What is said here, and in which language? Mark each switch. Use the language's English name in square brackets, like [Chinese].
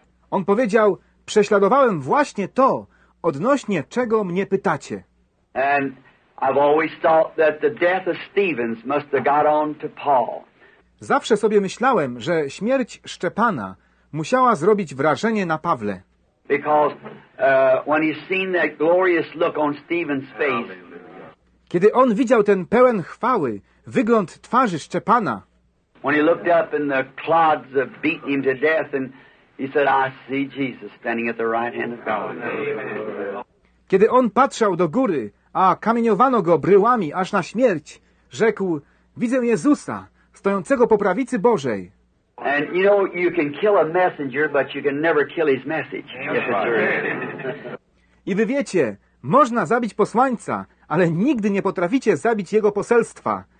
[Polish] On powiedział, prześladowałem właśnie to, odnośnie czego mnie pytacie. [English] And I've always thought that the death of Stephen's must have got on to Paul. [Polish] Zawsze sobie myślałem, że śmierć Szczepana musiała zrobić wrażenie na Pawle. [English] Because when he seen that glorious look on Stephen's face. [Polish] Kiedy on widział ten pełen chwały wygląd twarzy Szczepana. [English] When he looked up and the clods have beaten him to death and he said, I see Jesus standing at the right hand of God. [Polish] Kiedy on patrzał do góry, a kamieniowano go bryłami aż na śmierć, rzekł, widzę Jezusa, stojącego po prawicy Bożej. [English] And you know, you can kill a messenger, but you can never kill his message. Yes, sir. [Polish] I wy wiecie, można zabić posłańca, ale nigdy nie potraficie zabić jego poselstwa.